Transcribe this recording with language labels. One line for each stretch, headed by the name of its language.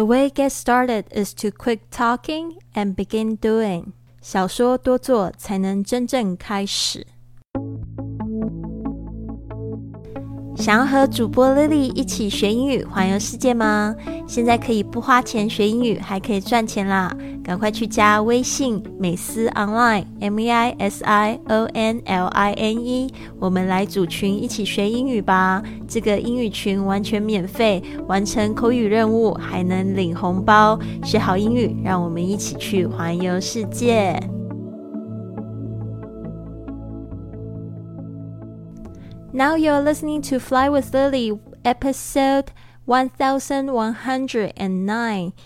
English: The way get started is to quit talking and begin doing.
Chinese: 少说多做才能真正开始。想要和主播 Lily 一起学英语环游世界吗？现在可以不花钱学英语，还可以赚钱啦！赶快去加微信美思 online MEISIONLINE， 我们来组群一起学英语吧。这个英语群完全免费，完成口语任务还能领红包，学好英语，让我们一起去环游世界。
English: Now you're listening to Fly with Lily, episode 1109.